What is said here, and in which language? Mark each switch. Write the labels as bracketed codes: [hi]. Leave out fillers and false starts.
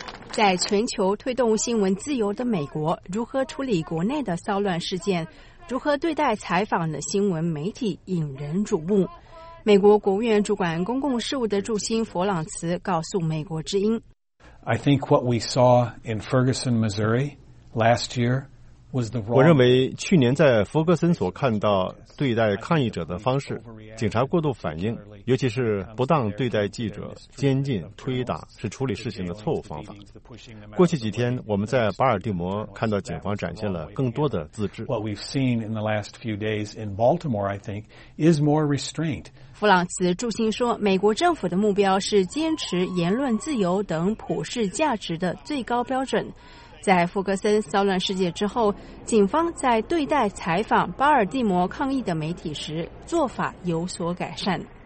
[zh] 在全球推动新闻自由的美国，如何处理国内的骚乱事件，如何对待采访的新闻媒体引人瞩目。美国国务院主管公共事务的助兴弗朗茨告诉美国之音， [en] I think what we saw in Ferguson, Missouri last year was the wrong. [zh] 我认为去年在弗格森所看到对待抗议者的方式，警察过度反应，尤其是不当对待记者、监禁、推打，是处理事情的错误方法。过去几天我们在巴尔的摩看到警方展现了更多的自制。 [en] What we've seen in the last few days in Baltimore, I think, is more restraint. [zh] 弗朗茨助兴说，美国政府的目标是坚持言论自由等普世价值的最高标准。在弗格森骚乱事件之后，警方在对待采访巴尔的摩抗议的媒体时做法有所改善。